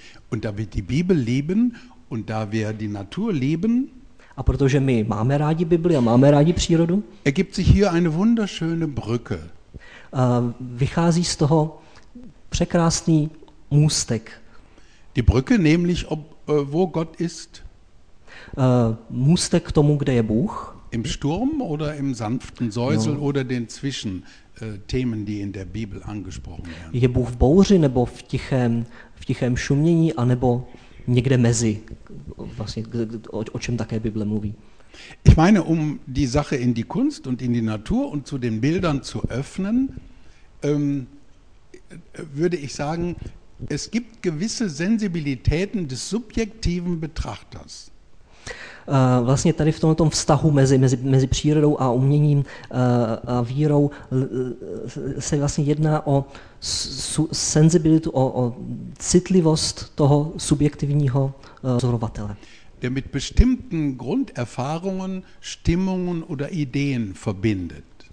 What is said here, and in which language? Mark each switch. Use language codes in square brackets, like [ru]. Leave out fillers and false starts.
[de] Und da wir die Bibel lieben und da wir die Natur lieben, [cs] a protože my máme rádi Bibli a máme rádi přírodu, [de] ergibt sich hier eine wunderschöne Brücke. [cs] Vychází z toho překrásný můstek. [de] Die Brücke nämlich wo Gott ist. [cs] Můstek k tomu, kde je Bůh. [de] Im Sturm oder im sanften Säusel oder den Zwischenthemen, die in der Bibel angesprochen werden. [cs] Je Bůh v bouři nebo v tichém šumění a nebo někde mezi, vlastně, o čem také Bible mluví. [de] Ich meine, um die Sache in die Kunst und in die Natur und zu den Bildern zu öffnen, würde ich sagen, es gibt gewisse Sensibilitäten des subjektiven Betrachters. [cs] Vlastně tady v tomto vztahu mezi přírodou a uměním a vírou se vlastně jedná o senzibilitu, o citlivost toho subjektivního pozorovatele. [de] Der mit bestimmten Grunderfahrungen, Stimmungen oder Ideen verbindet.